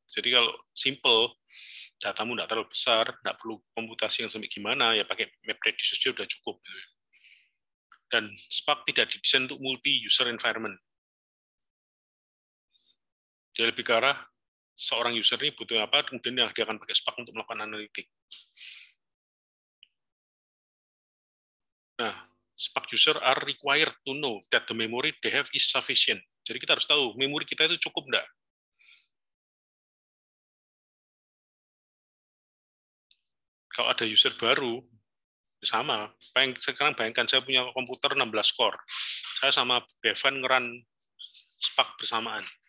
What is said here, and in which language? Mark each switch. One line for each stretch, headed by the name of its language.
Indonesian: Jadi kalau simple, datamu tidak terlalu besar, tidak perlu komputasi yang sampai gimana, ya pakai MapReduce saja sudah cukup. Dan Spark tidak didesain untuk multi-user environment. Dia lebih ke arah seorang user ini butuh apa, kemudian dia akan pakai Spark untuk melakukan analitik.
English: Nah, Spark user are required to know that the memory they have is sufficient.
Indonesian: Jadi kita harus tahu, memori kita itu cukup enggak? Kalau ada user baru, sama. Sekarang bayangkan saya punya komputer 16 core. Saya sama Bevan ngeran Spark bersamaan.